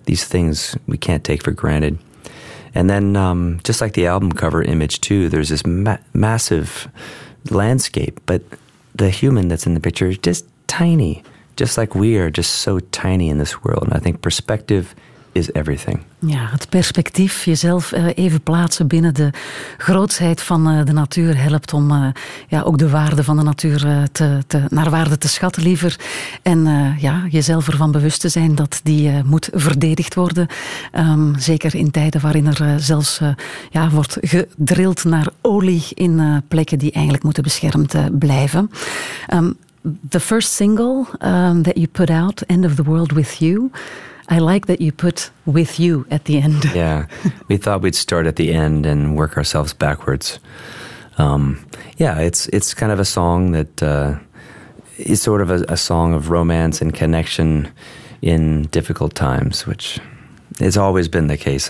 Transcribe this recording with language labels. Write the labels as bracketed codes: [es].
[en] These things we can't take for granted. And then, just like the album cover image too, there's this massive landscape, but the human that's in the picture is just tiny, just like we are just so tiny in this world. And I think perspective is everything. [nl] Ja, het perspectief, jezelf even plaatsen binnen de grootsheid van de natuur, helpt om ook de waarde van de natuur naar waarde te schatten, liever. En jezelf ervan bewust te zijn dat die moet verdedigd worden. Zeker in tijden waarin er zelfs wordt gedrild naar olie in plekken die eigenlijk moeten beschermd blijven. [en] The first single that you put out, End of the World With You, I like that you put with you at the end. Yeah, we thought we'd start at the end and work ourselves backwards. It's kind of a song that is sort of a song of romance and connection in difficult times, which has always been the case.